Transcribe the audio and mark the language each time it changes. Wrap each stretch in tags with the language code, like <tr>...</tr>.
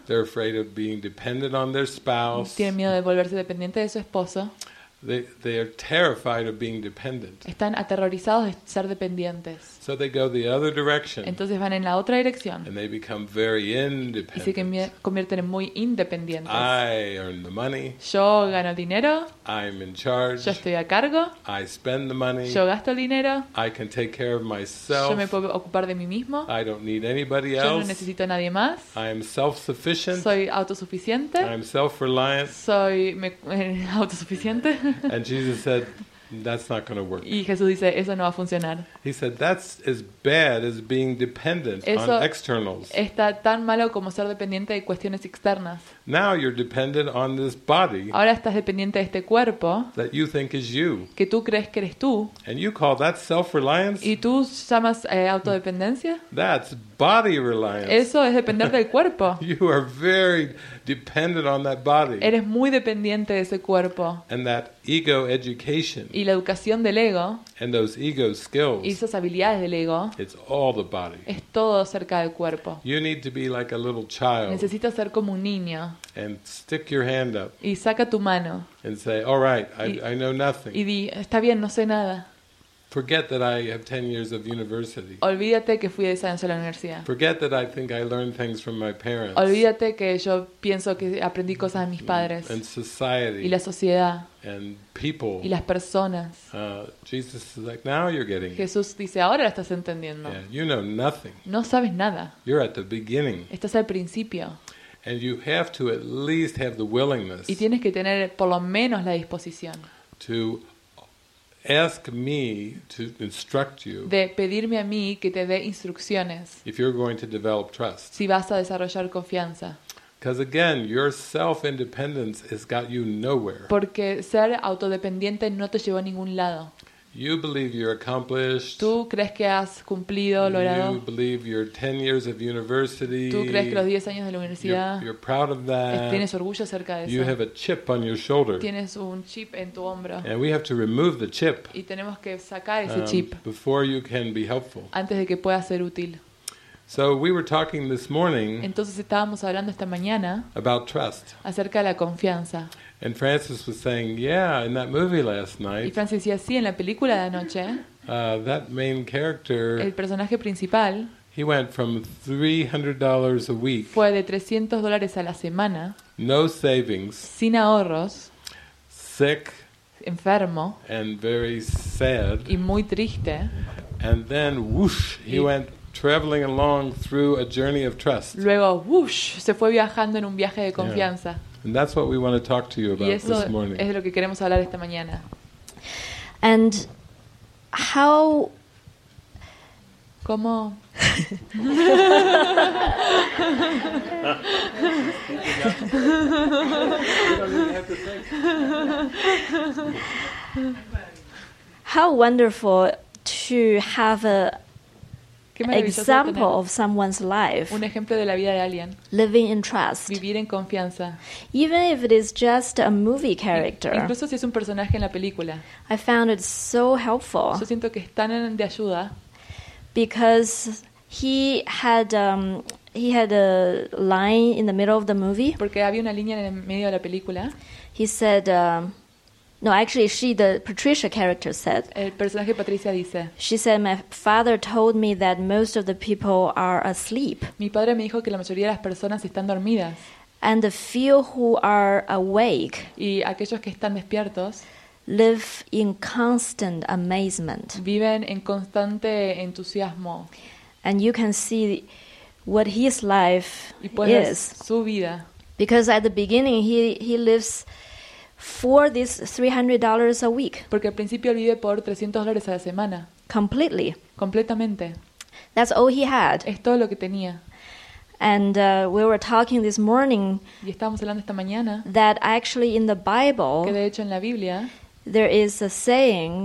<en>they're afraid of being dependent on their spouse.</en> <es>Tienen miedo de volverse dependientes de su esposo.</es> <en>They are terrified of being dependent.</en> <es>Están aterrorizados de ser dependientes.</es> <en>So they go the other direction.</en> <es>Entonces van en la otra dirección.</es> <en>And they become very independent.</en> <es>Y se convierten en muy independientes.</es> <en>I earn the money.</en> <es>Yo gano el dinero.</es> <en>I'm in charge.</en> <es>Yo estoy a cargo.</es> <en>I spend the money.</en> <es>Yo gasto el dinero.</es> <en>I can take care of myself.</en> <es>Yo me puedo ocupar de mí mismo.</es> <en>I don't need anybody else.</en> <es>Yo no necesito a nadie más.</es> <en>I am self-sufficient.</en> <es>Soy autosuficiente.</es> <en>I'm self-reliant.</en> <es>Soy autosuficiente.</es> <en>And Jesus said, That's not going to work.</en> <es>Y Jesús dice, eso no va a funcionar.</es> <en>He said, that's as bad as being dependent</en> <es>eso</es> <en>on externals.</en> <es>Está tan malo como ser dependiente de cuestiones externas.</es> <en>Now you're dependent on this body.</en> <es>Ahora estás dependiente de este cuerpo.</es> <en>That you think is you.</en> <es>Que tú crees que eres tú.</es> <en>And you call that self-reliance?</en> <es>Y tú llamas autodependencia?</es> <en>That's body reliance.</en> <es>Eso es depender del cuerpo.</es> <en>You are very dependent on that body.</en> <es>Eres muy dependiente de ese cuerpo.</es> <en>And that ego education.</en> <es>Y la educación del ego.</es> <en>And those ego skills.</en> <es>Y esas habilidades del ego.</es> <en>It's all the body.</en> <es>Es todo acerca del cuerpo.</es> <en>You need to be like a little child.</en> <es>Necesitas ser como un niño.</es> <en>And stick your hand up.</en> <es>Y saca tu mano.</es> <en>And say, "All right, I know nothing."</en> <es>Y di, está bien, no sé nada.</es> <en>Forget that I have 10 years of university.</en> <es>Olvídate que fui 10 años a la universidad.</es> <en>Forget that I think I learned things from my parents.</en> <es>Olvídate que yo pienso que aprendí cosas de mis padres.</es> <en>And society.</en> <es>Y la sociedad.</es> <en>And people.</en> <es>Y las personas.</es> <en>Jesus is like, now you're getting it.</en> <es>Jesús dice, ahora lo estás entendiendo.</es> <en>Yeah, you know nothing.</en> <es>No sabes nada.</es> <en>You're at the beginning.</en> <es>Estás al principio.</es> <en>And you have to at least have the willingness.</en> <es>Y tienes que tener por lo menos la disposición.</es> <en>To ask me to instruct you.</en> <es>De pedirme a mí que te dé instrucciones.</es> <en>If you're going to develop trust.</en> <es>Si vas a desarrollar confianza.</es> <en>Because again, your self-independence has got you nowhere.</en> <es>Porque ser autodependiente no te llevó a ningún lado.</es> <en>You believe you're accomplished.</en> <es>Tú crees que has cumplido, logrado.</es> <en>You believe you're 10 years of university.</en> <es>Tú crees que los 10 años de la universidad.</es> <en>You're proud of that.</en> <es>Tienes orgullo acerca de eso.</es> <en>You have a chip on your shoulder.</en> <es>Tienes un chip en tu hombro.</es> <en>And we have to remove the chip.</en> <es>Y tenemos que sacar ese chip.</es> <en>Before you can be helpful.</en> <es>Antes de que pueda ser útil.</es> <en>So we were talking this morning.</en> <es>Entonces estábamos hablando esta mañana.</es> <en>About trust.</en> <es>Acerca de la confianza.</es> <en>And Francis was saying, "Yeah, in that movie last night."</en> <es>Y Francis decía sí en la película de anoche.</es> <en>That main character.</en> <es>El personaje principal.</es> <en>He went from $300 a week.</en> <es>Fue de $300 a la semana.</es> <en>No savings.</en> <es>Sin ahorros.</es> <en>Sick.</en> <es>Enfermo.</es> <en>And very sad.</en> <es>Y muy triste.</es> <en>And then, whoosh! He went traveling along through a journey of trust.</en> <es>Luego, whoosh! Se fue viajando en un viaje de confianza.</es> <en>Yeah. And that's what we want to talk to you about this morning.</en> <es>Y eso es lo que queremos hablar esta mañana.</es> <en>And how?</en> <es>¿Cómo?</es> <en>How wonderful to have a example of someone's life.</en> <es>Un ejemplo de la vida de alguien.</es> <en>Living in trust.</en> <es>Vivir en confianza.</es> <en>Even if it is just a movie character.</en> <es>Incluso si es un personaje en la película.</es> <en>I found it so helpful.</en> <es>Yo siento que es tan de ayuda.</es> <en>Because he had a line in the middle of the movie.</en> <es>Porque había una línea en el medio de la película.</es> <en>He said, no, actually, the Patricia character said.</en> <es>El personaje Patricia dice.</es> <en>She said, "My father told me that most of the people are asleep."</en> <es>Mi padre me dijo que la mayoría de las personas están dormidas.</es> <en>And the few who are awake.</en> <es>Y aquellos que están despiertos.</es> <en>Live in constant amazement.</en> <es>Viven en constante entusiasmo.</es> <en>And you can see what his life</en> <es>y puedes</es> <en>is.</en> <es>Su vida.</es> <en>Because at the beginning he lives for this $300 a week.</en> <es>Porque al principio vive por $300 a la semana.</es> <en>Completely.</en> <es>Completamente.</es> <en>That's all he had.</en> <es>Es todo lo que tenía.</es> <en>And we were talking this morning.</en> <es>Y estábamos hablando esta mañana.</es> <en>That actually in the Bible.</en> <es>Que de hecho en la Biblia.</es> <en>There is a saying.</en>